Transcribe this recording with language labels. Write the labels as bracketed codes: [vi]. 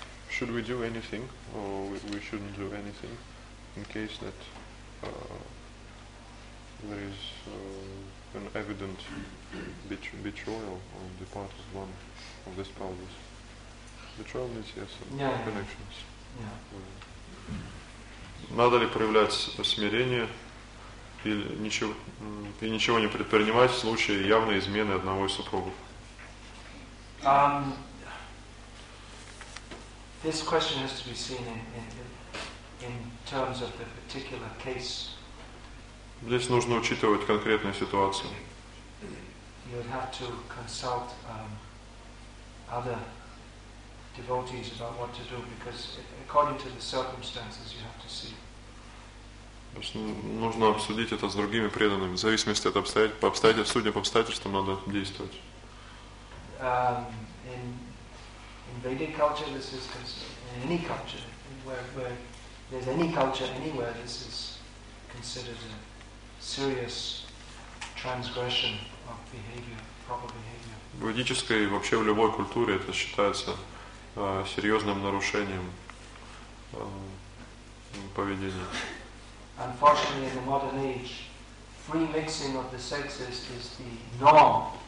[en] Should we do anything, or we shouldn't do anything, in case that there is an evident betrayal on the part of one of the spouses? Betrayal means yes, connections. Yeah. [ru] Надо ли проявлять смирение или ничего и ничего не предпринимать в случае явной измены одного из супругов? [en] This question has to be seen in terms of the particular case. [ru] Здесь нужно учитывать конкретную ситуацию. [en] You would have to consult other devotees about what to do, because according to the circumstances you have to see. [ru] То есть нужно обсудить это с другими преданными. В зависимости от обстоятельств, судя по обстоятельствам, надо действовать. [en] In Vedic culture, this is considered. In any culture, where there's any culture anywhere, this is considered a serious transgression of behavior, proper behavior. [ru] В ведической и вообще в любой культуре это считается серьезным нарушением поведения. [en] Unfortunately, in the modern age, free mixing of the sexes is the norm.